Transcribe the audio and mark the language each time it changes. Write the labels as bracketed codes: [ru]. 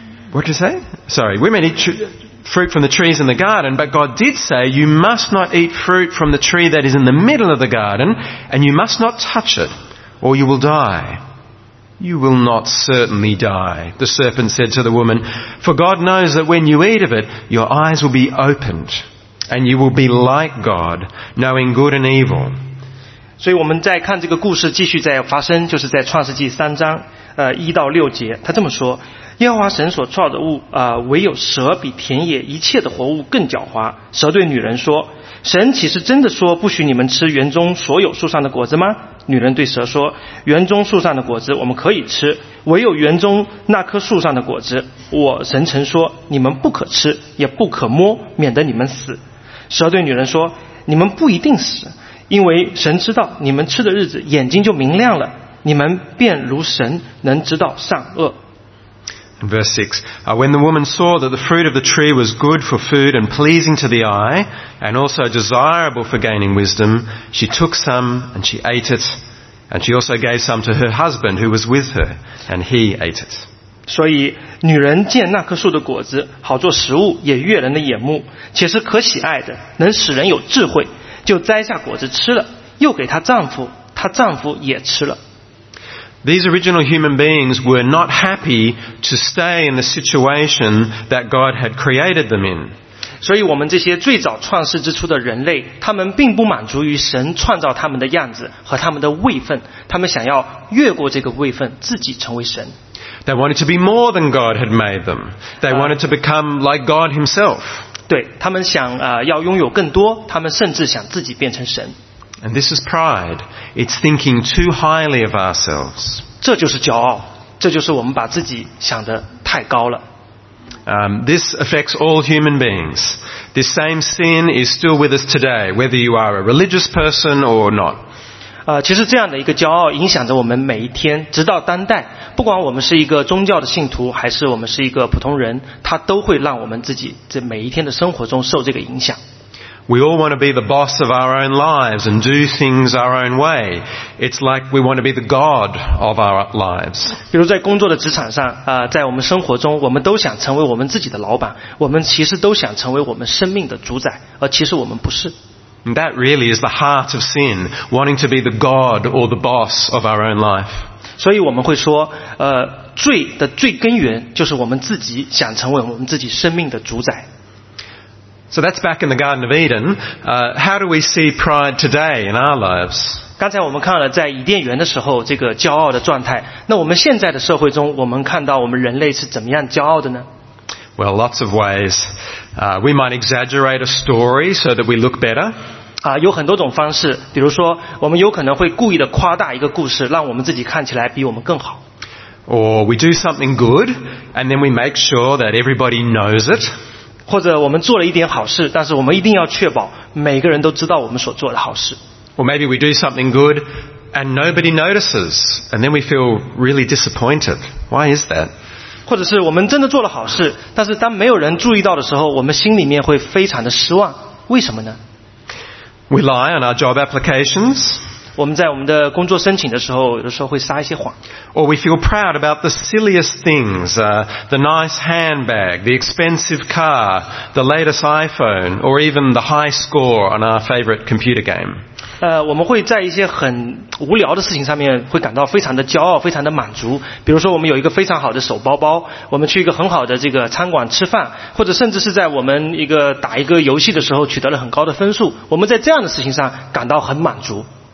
[en] What did you say? Sorry, we may eat fruit from the trees in the garden, but God did say, you must not eat fruit from the tree that is in the middle of the garden, and you must not touch it, or you will die. You will not certainly die, the serpent said to the woman. For God knows that when you eat of it, your eyes will be opened, and you will be like God, knowing good and evil. [zh] 所以我们再看这个故事继续在发生，就是在创世纪三章一到六节，他这么说：耶和华神所造的物唯有蛇比田野一切的活物更狡猾。蛇对女人说：神岂是真的说不许你们吃园中所有树上的果子吗？女人对蛇说：园中树上的果子我们可以吃，唯有园中那棵树上的果子，我神曾说你们不可吃也不可摸，免得你们死。蛇对女人说：你们不一定死，因为神知道你们吃的日子眼睛就明亮了，你们便如神能知道善恶。 [en] Verse 6, when the woman saw that the fruit of the tree was good for food and pleasing to the eye, and also desirable for gaining wisdom, she took some and she ate it, and she also gave some to her husband who was with her, and he ate it. [zh] 所以女人见那棵树的果子好做食物，也悦人的眼目，且是可喜爱的，能使人有智慧，就摘下果子吃了，又给她丈夫，她丈夫也吃了。 [en] These original human beings were not happy to stay in the situation that God had created them in. [zh] 所以我们这些最早创世之初的人类，他们并不满足于神创造他们的样子和他们的位分，他们想要越过这个位分，自己成为神。 [en] They wanted to be more than God had made them. They wanted to become like God himself. [zh] 对，他们想要拥有更多，他们甚至想自己变成神。 [en] And this is pride. It's thinking too highly of ourselves. [zh] 这就是骄傲，这就是我们把自己想得太高了。 [en] This affects all human beings. This same sin is still with us today, whether you are a religious person or not. [zh] 其实这样的一个骄傲影响着我们每一天，直到当代。不管我们是一个宗教的信徒，还是我们是一个普通人，它都会让我们自己在每一天的生活中受这个影响。 [en] We all want to be the boss of our own lives and do things our own way. It's like we want to be the god of our lives. [zh] 比如在工作的职场上，在我们生活中，我们都想成为我们自己的老板，我们其实都想成为我们生命的主宰，而其实我们不是。 [en] And that really is the heart of sin, wanting to be the god or the boss of our own life. [zh] 所以我们会说，罪的最根源就是我们自己想成为我们自己生命的主宰。 [en] So that's back in the Garden of Eden. How do we see pride today in our lives? [zh] 刚才我们看了在伊甸园的时候这个骄傲的状态。那我们现在的社会中，我们看到我们人类是怎么样骄傲的呢？ [en] Well, lots of ways. We might exaggerate a story so that we look better. [zh] 有很多种方式。比如说，我们有可能会故意的夸大一个故事，让我们自己看起来比我们更好。 [en] Or we do something good, and then we make sure that everybody knows it. [zh] 或者我们做了一点好事，但是我们一定要确保每个人都知道我们所做的好事。 [en] Or maybe we do something good and nobody notices, and then we feel really disappointed. Why is that? [zh] 或者是我们真的做了好事，但是当没有人注意到的时候，我们心里面会非常的失望。为什么呢？ [en] We lie on our job applications. [zh] 我们在我们的工作申请的时候，有的时候会撒一些谎。 [en] Or we feel proud about the silliest things, the nice handbag, the expensive car, the latest iPhone, or even the high score on our favorite computer game. [zh] 我们会在一些很无聊的事情上面会感到非常的骄傲，非常的满足。比如说我们有一个非常好的手包包，我们去一个很好的这个餐馆吃饭，或者甚至是在我们一个打一个游戏的时候取得了很高的分数，我们在这样的事情上感到很满足。